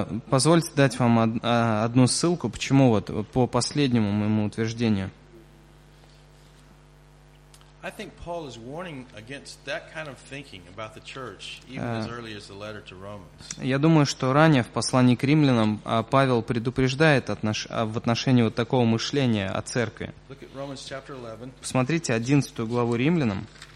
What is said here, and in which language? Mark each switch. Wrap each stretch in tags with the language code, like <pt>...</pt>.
<ru>Позвольте дать вам одну ссылку. Почему вот по последнему моему утверждению?</ru> <en>I think Paul is warning against that kind of thinking about the church, even as early as the letter to Romans.</en> <ru>Я думаю, что ранее в послании к римлянам Павел предупреждает в отношении вот такого мышления о церкви.</ru> <en>Look at Romans chapter 11.</en> <ru>Посмотрите 11 главу римлянам.</ru>